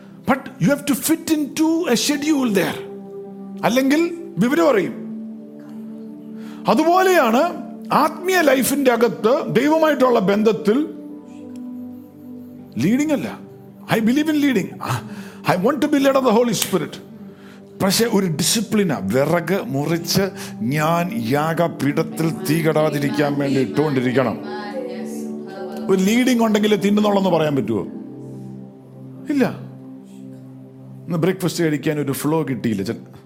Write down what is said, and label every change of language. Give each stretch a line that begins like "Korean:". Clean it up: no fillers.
English: but you have to fit into a schedule there,
Malayalam: അല്ലെങ്കിൽ വിവരം അറിയും. അതുപോലെയാണ് ആത്മീയ ലൈഫിന്റെ അകത്ത് ദൈവമായിട്ടുള്ള ബന്ധത്തിൽ ലീഡിങ് അല്ല.
English: I believe in leading. I want to be led of the Holy Spirit.
Malayalam: പക്ഷേ ഒരു ഡിസിപ്ലിന, വിറക് മുറിച്ച് ഞാൻ യാഗപീഠത്തിൽ തീകടാതിരിക്കാൻ വേണ്ടി ഇട്ടുകൊണ്ടിരിക്കണം. ഒരു ലീഡിങ് ഉണ്ടെങ്കിൽ തിന്നുന്നുള്ളെന്ന് പറയാൻ പറ്റുമോ? ഇല്ല. ഇന്ന് ബ്രേക്ക്ഫാസ്റ്റ് കഴിക്കാൻ ഒരു ഫ്ലോ കിട്ടിയില്ല.